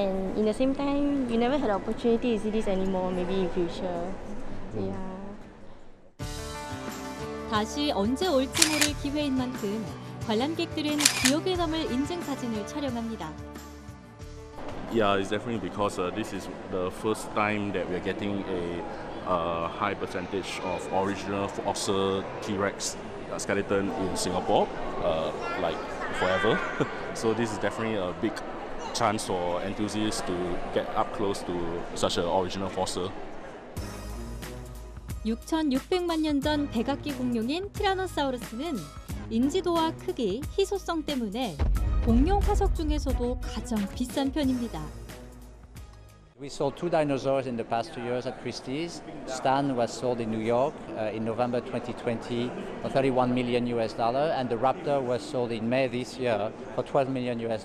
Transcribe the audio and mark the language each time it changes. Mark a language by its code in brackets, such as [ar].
[en] And in the same time, you never had the opportunity to see this anymore. Maybe in future. Yeah. [ko] 다시 언제 올지 모를 기회인 만큼 관람객들은 기억에 남을 인증 사진을 촬영합니다. [en] Yeah, it's definitely because this is the first time that we are getting a a high percentage of original fossil T-Rex skeleton in Singapore, like forever. So this is definitely a big chance for enthusiasts to get up close to such an original fossil. [ko] 6,600만 년 전 백악기 공룡인 티라노사우루스는 인지도와 크기, 희소성 때문에 공룡 화석 중에서도 가장 비싼 편입니다. [en] We sold two dinosaurs in the past 2 years at Christie's. Stan was sold in New York in November 2020 for $31 million, and the Raptor was sold in May this year for $12 million.